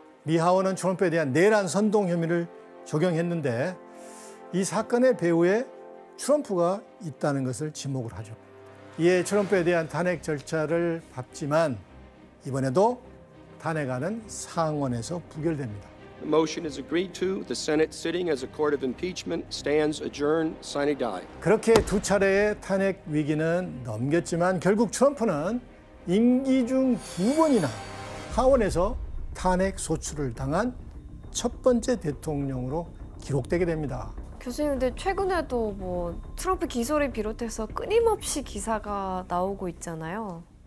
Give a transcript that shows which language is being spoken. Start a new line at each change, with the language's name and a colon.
Korean: 미 하원은 트럼프에 대한 내란 선동 혐의를 적용했는데 이 사건의 배후에 트럼프가 있다는 것을 지목을 하죠. 이에 트럼프에 대한 탄핵 절차를 밟지만 이번에도 탄핵안은 상원에서 부결됩니다.
English: The motion is agreed to. The Senate sitting as a court of impeachment stands adjourned. Sine die.
Korean: 그렇게 두 차례의 탄핵 위기는 넘겼지만 결국 트럼프는 임기 중 두 번이나 하원에서 탄핵 소추를 당한 첫 번째 대통령으로 기록되게 됩니다. 교수님, 근데 최근에도 뭐 트럼프 기소를 비롯해서 끊임없이 기사가 나오고 있잖아요.